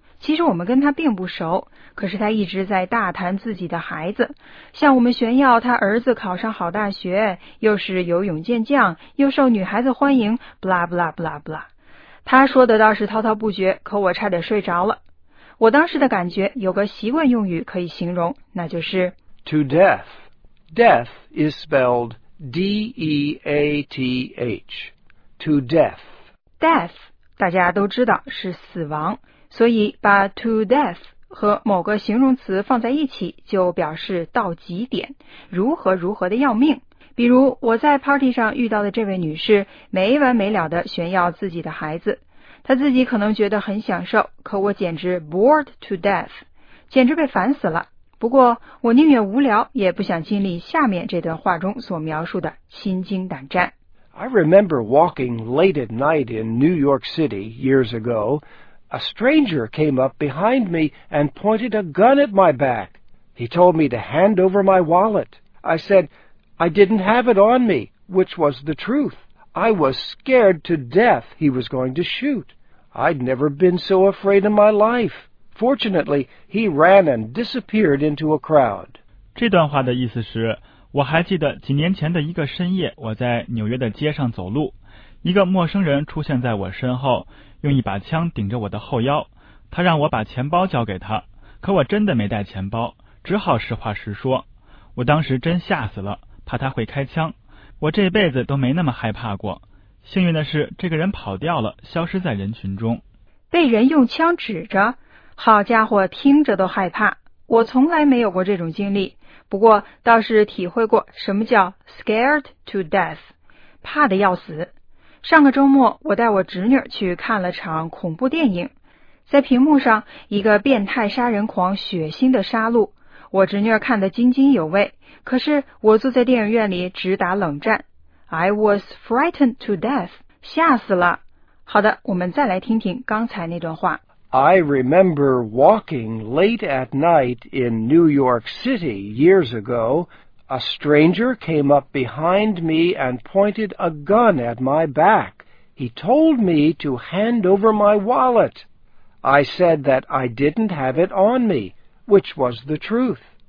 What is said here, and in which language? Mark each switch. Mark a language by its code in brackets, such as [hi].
[zh] 其实我们跟她并不熟，可是她一直在大谈自己的孩子，向我们炫耀她儿子考上好大学，又是游泳健将，又受女孩子欢迎， blah blah blah blah。她说的倒是滔滔不绝，可我差点睡着了。我当时的感觉有个习惯用语可以形容，那就是 [en] to death. Death is spelled D-E-A-T-H, to death. [zh] Death, 大家都知道是死亡，所以把 to death 和某个形容词放在一起就表示到极点，如何如何的要命。比如我在 party 上遇到的这位女士没完没了地炫耀自己的孩子，她自己可能觉得很享受，可我简直 [en] bored to death, [zh] 简直被烦死了。不过我宁愿无聊也不想经历下面这段话中所描述的心惊胆战。 [en] I remember walking late at night in New York City years ago. A stranger came up behind me and pointed a gun at my back. He told me to hand over my wallet. I said, I didn't have it on me, which was the truth. I was scared to death he was going to shoot. I'd never been so afraid in my life. Fortunately, he ran and disappeared into a crowd. [zh] 这段话的意思是，我还记得几年前的一个深夜，我在纽约的街上走路，一个陌生人出现在我身后，用一把枪顶着我的后腰。他让我把钱包交给他，可我真的没带钱包，只好实话实说。我当时真吓死了，怕他会开枪。我这辈子都没那么害怕过。幸运的是，这个人跑掉了，消失在人群中。被人用枪指着。好家伙，听着都害怕。我从来没有过这种经历，不过倒是体会过什么叫 [en] scared to death, [zh] 怕得要死。上个周末，我带我侄女去看了场恐怖电影，在屏幕上，一个变态杀人狂血腥的杀戮，我侄女看得津津有味，可是我坐在电影院里直打冷战。 [en] I was frightened to death, [zh] 吓死了。好的，我们再来听听刚才那段话。 [en] I remember walking late at night in New York City years ago. A stranger came up behind me and pointed a gun at my back. He told me to hand over my wallet. I said that I didn't have it on me, which was the truth.